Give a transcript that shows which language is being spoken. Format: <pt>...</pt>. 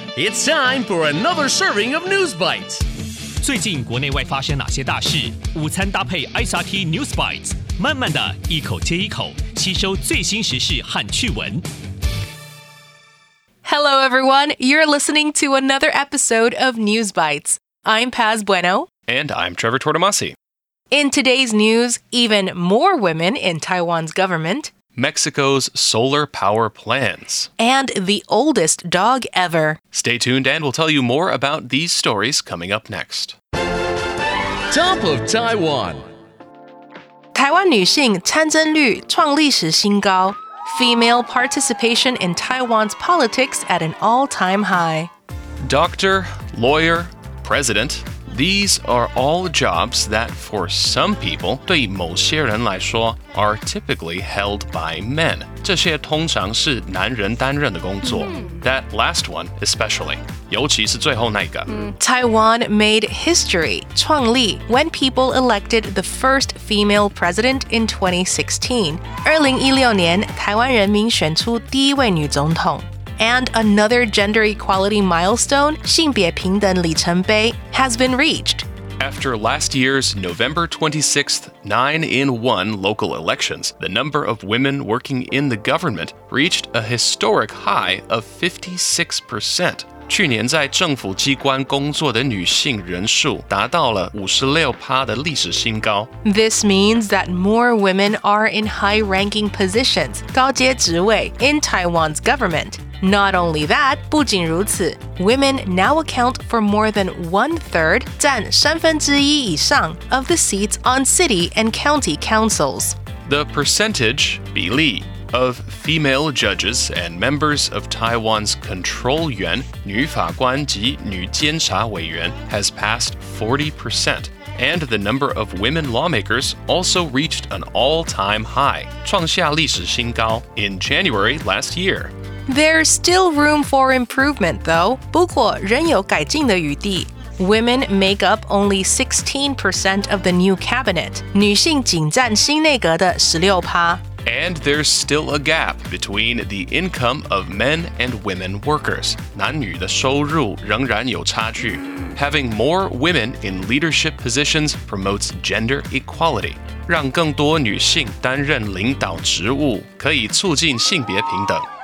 <en>It's time for another serving of News Bites.</en> <zh>最近国内外发生哪些大事？午餐搭配 SRT News Bites， 慢慢的一口接一口，吸收最新时事和趣闻。</zh> <en>Hello everyone, you're listening to another episode of News Bites. I'm Paz Bueno. And I'm Trevor Tortomasi. In today's news, even more women in Taiwan's government, Mexico's solar power plans, and the oldest dog ever. Stay tuned and we'll tell you more about these stories coming up next. Top of Taiwan.</en> <zh>台湾女性参政率创历史新高。</zh> <en>Female participation in Taiwan's politics at an all-time high. Doctor, lawyer, president, these are all jobs that for some people,</en> <zh>对某些人来说,</zh> <en>are typically held by men.</en> <zh>这些通常是男人担任的工作。</zh> <en>That last one especially.</en> <zh>尤其是最后那个。</zh> <en>Taiwan made history, 创立, when people elected the first female president in 2016.</en> <zh>2016年,台湾人民选出第一位女总统。</zh> <en>And another gender equality milestone,</en> <zh>性别平等里程碑,</zh> <en>has been reached. After last year's November 26th 9-in-1 local elections, the number of women working in the government reached a historic high of 56%.</en> <zh>去年在政府机关工作的女性人数达到了 56% 的历史新高。</zh> <en>This means that more women are in high-ranking positions,</en> <zh>高阶职位,</zh> <en>in Taiwan's government. Not only that,</en> <zh>不仅如此,</zh> <en>women now account for more than one-third,</en> <zh>占三分之一以上,</zh> <en>of the seats on city and county councils. The percentage, 比例,of female judges and members of Taiwan's control yuan,</en> <zh>女法官及女监察委员,</zh> <en>has passed 40%, and the number of women lawmakers also reached an all-time high,</en> <zh>创下历史新高,</zh> <en>in January last year. There's still room for improvement, though.</en> <zh>不过仍有改进的余地。</zh> <en>Women make up only 16% of the new cabinet,</en> <zh>女性仅占新内阁的 16%。</zh> <en>And there's still a gap between the income of men and women workers.</en> <zh>男女的收入仍然有差距。</zh> <en>Having more women in leadership positions promotes gender equality.</en> <zh>让更多女性担任领导职务可以促进性别平等。</zh>